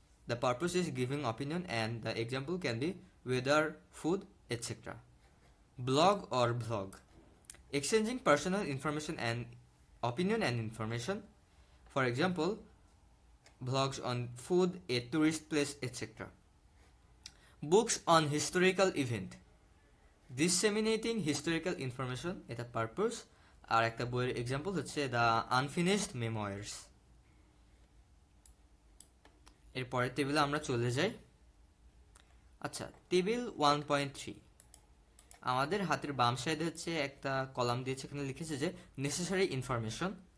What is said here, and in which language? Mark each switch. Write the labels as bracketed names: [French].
[English] The purpose is giving opinion and the example can be weather, food etcetera. Blog or vlog, exchanging personal information and opinion and information. For example vlogs on food, a tourist place etcetera. books on historical event, disseminating historical information at a purpose. [Bangla] আর একটা বইয়ের example হচ্ছে the unfinished memoirs. এরপরের টেবিলে আমরা চলে যাই। আচ্ছা, table 1.3, আমাদের হাতের বাম সাইডে হচ্ছে একটা কলাম দিয়েছে, এখানে লিখেছে যে নেসেসারি ইনফরমেশন।